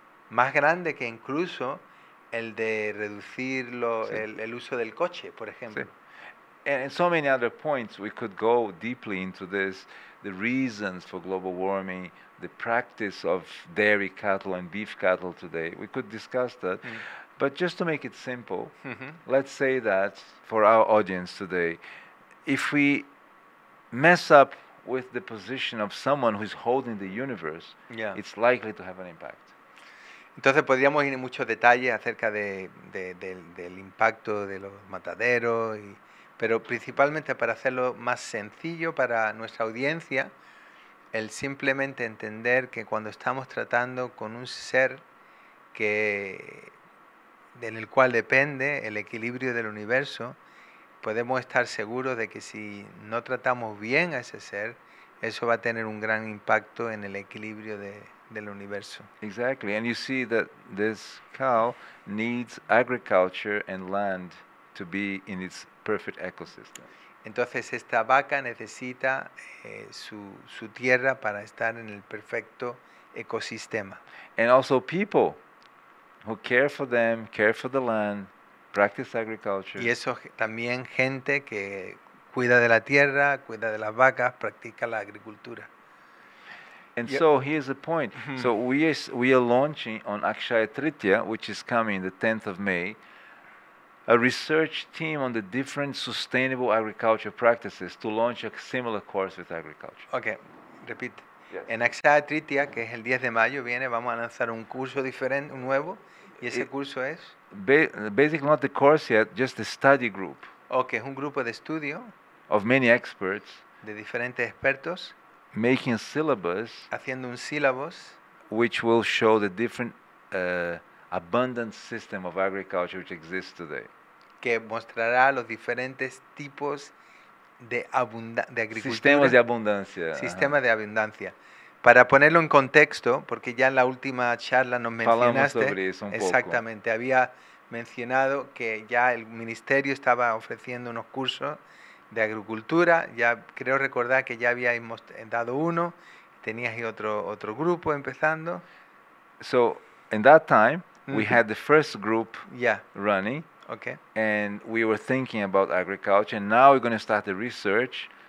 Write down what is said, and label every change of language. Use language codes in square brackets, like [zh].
[es] Más grande que incluso el de reducir el uso del coche, por ejemplo. Sí. [en] And so many other points, we could go deeply into this, the reasons for global warming, the practice of dairy cattle and beef cattle today. We could discuss that. Mm-hmm. But just to make it simple, mm-hmm. let's say that for our audience today, if we mess up with the position of someone who is holding the universe, yeah. it's likely to have an impact. [es] Entonces podríamos ir en muchos detalles acerca del impacto de los mataderos, pero principalmente para hacerlo más sencillo para nuestra audiencia, el simplemente entender que cuando estamos tratando con un ser que del cual depende el equilibrio del universo, podemos estar seguros de que si no tratamos bien a ese ser, eso va a tener un gran impacto en el equilibrio del universo. [en] Exactly, and you see that this cow needs agriculture and land to be in its perfect ecosystem. [es] Entonces esta vaca necesita su tierra para estar en el perfecto ecosistema. [en] And also people who care for them, care for the land, practice agriculture. [es] Y eso también gente que cuida de la tierra, cuida de las vacas, practica la agricultura. [en] And yep. So here's the point. Mm-hmm. So we are launching on Akshaya Tritya, which is coming the 10th of May, a research team on the different sustainable agriculture practices to launch a similar course with agriculture. Okay, repeat. Yes. [es] En Akshaya Tritya, que es el 10 de mayo, viene, vamos a lanzar un curso diferente, un nuevo, y ese curso es? [en] Basically not the course yet, just the study group. [es] Okay, es un grupo de estudio. [en] Of many experts. [es] De diferentes expertos. [en] Making a syllabus, [es] haciendo un syllabus, [en] which will show the different abundant system of agriculture which exists today. [es] Que mostrará los diferentes tipos de agricultura. Sistemas de abundancia. Sistema uh-huh. de abundancia. Para ponerlo en contexto, porque ya en la última charla nos mencionaste. [pt] Falamos sobre eso un [es] exactamente, poco. Había mencionado que ya el ministerio estaba ofreciendo unos cursos de agricultura, ya creo recordar que ya habíamos dado uno, tenías otro grupo empezando. [en] So, in that time, mm-hmm. we had the first group yeah. running, okay. and we were thinking about agriculture, and now we're going to start the research.